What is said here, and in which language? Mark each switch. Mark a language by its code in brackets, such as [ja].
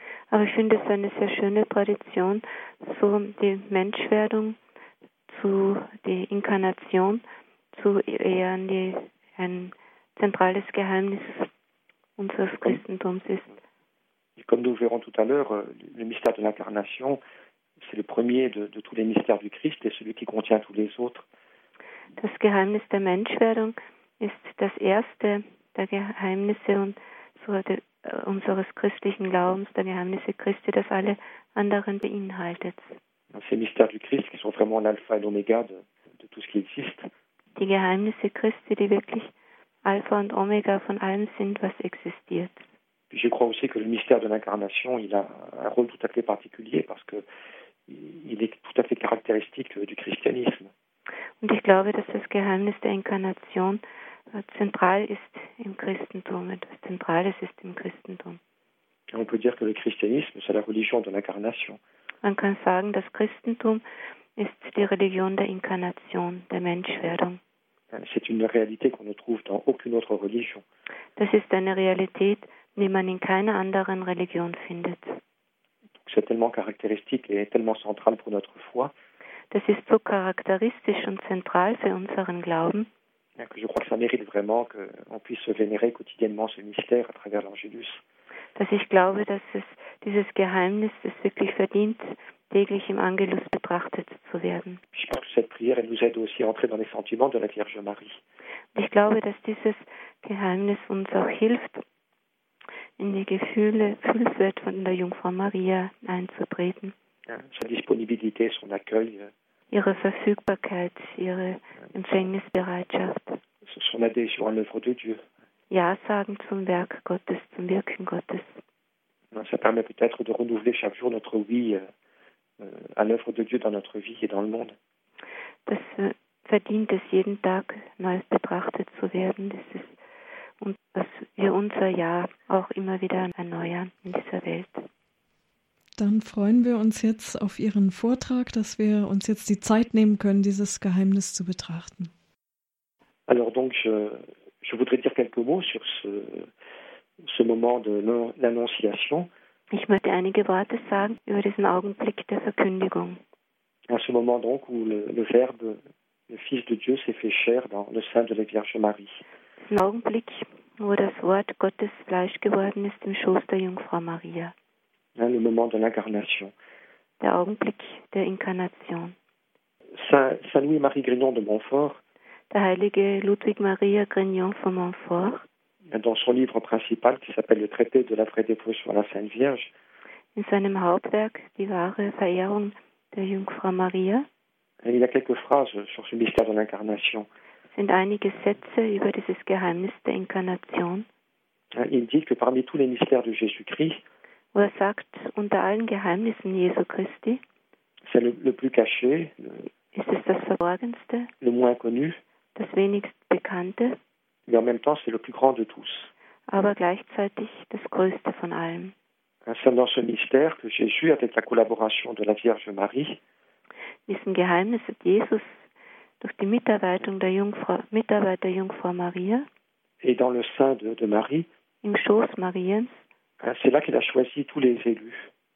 [de] Aber ich finde es eine sehr schöne Tradition, so die Menschwerdung, zu die Inkarnation, zu ehren, die ein zentrales Geheimnis unseres Christentums ist. [fr] Et comme nous verrons tout à l'heure, le mystère de l'incarnation, c'est le premier de tous les mystères du Christ et celui qui contient tous les autres. [de] Das Geheimnis der Menschwerdung ist das erste der Geheimnisse und so unseres christlichen Glaubens, der Geheimnisse Christi, das alle anderen beinhaltet. [fr] Ces mystères du Christ qui sont vraiment l'alpha et l'oméga de tout ce qui existe. [de] Die Geheimnisse Christi, die wirklich Alpha und Omega von allem sind, was existiert. [fr] Puis je crois aussi que le mystère de l'incarnation, il a un rôle tout à fait particulier parce que il est tout à fait caractéristique du christianisme. [de] Und ich glaube, dass das Geheimnis der Inkarnation zentral ist im Christentum und das Zentrale ist im Christentum. [fr] Et on peut dire que le christianisme, c'est la religion de l'incarnation. [de] Man kann sagen, das Christentum ist die Religion der Inkarnation, der Menschwerdung. [fr] C'est une réalité qu'on ne trouve dans aucune autre religion. [de] Das ist eine Realität, die man in keiner anderen Religion findet. [fr] C'est tellement caractéristique et tellement central pour notre foi. [de] Das ist so charakteristisch und zentral für unseren Glauben. [fr] Je crois que ça mérite vraiment qu'on puisse vénérer quotidiennement ce mystère à travers l'Angelus. [de] Dass ich glaube, dass es dieses Geheimnis es wirklich verdient, täglich im Angelus betrachtet zu werden. [fr] Je pense que cette prière nous aide aussi à entrer dans les sentiments de la Vierge Marie. [de] Ich glaube, dass dieses Geheimnis uns auch hilft, in die Gefühlswelt von der Jungfrau Maria einzutreten. [fr] Sa disponibilité, son accueil. [de] Ihre Verfügbarkeit, ihre Empfängnisbereitschaft. [fr] Son adhésion à l'œuvre de Dieu. [de] Ja sagen zum Werk Gottes, zum Wirken Gottes. [fr] Ça permet peut-être de renouveler chaque jour notre oui à l'œuvre de Dieu dans notre vie et dans le monde. [de] Das verdient es, jeden Tag neu betrachtet zu werden. Das ist, und dass wir unser Ja auch immer wieder erneuern in dieser Welt. Dann freuen wir uns jetzt auf Ihren Vortrag, dass wir uns jetzt die Zeit nehmen können, dieses Geheimnis zu betrachten. [fr] Alors donc, je voudrais dire quelques mots sur ce moment de l'Annonciation. [de] Ich möchte einige Worte sagen über diesen Augenblick der Verkündigung. [fr] À ce moment donc où le Verbe, le Fils de Dieu s'est fait chair dans le sein de la Vierge Marie. [de] Ein Augenblick, wo das Wort Gottes Fleisch geworden ist im Schoß der Jungfrau Maria. [fr] Hein, le moment de l'incarnation. [de] Der Augenblick der Inkarnation. [fr] Saint Louis-Marie Grignon de Montfort. [de] Der heilige Ludwig Maria Grignon von Montfort. [fr] Dans son livre principal qui s'appelle Le Traité de la vraie dévotion à la Sainte Vierge. [de] In seinem Hauptwerk Die wahre Verehrung der Jungfrau Maria. [fr] Il y a quelques phrases sur ce mystère de l'incarnation. [de] Sind einige Sätze über dieses Geheimnis der Inkarnation. [fr] Il dit que parmi tous les mystères de Jésus-Christ. [de] Wo er sagt, unter allen Geheimnissen Jesu Christi. [fr] C'est le plus caché. [de] Ist es das Verborgenste? [fr] Le moins connu. [de] Das wenigst Bekannte. [fr] Mais en même temps, c'est le plus grand de tous. [de] Aber gleichzeitig das Größte von allem. [fr] C'est dans ce mystère que Jésus, avec la collaboration de la Vierge Marie, [de] diesen Geheimnis hat Jesus durch die Mitarbeit der Jungfrau Maria, [fr] et dans le sein de Marie, [de] im Schoß Mariens, [fr] c'est là qu'il a choisi tous les élus.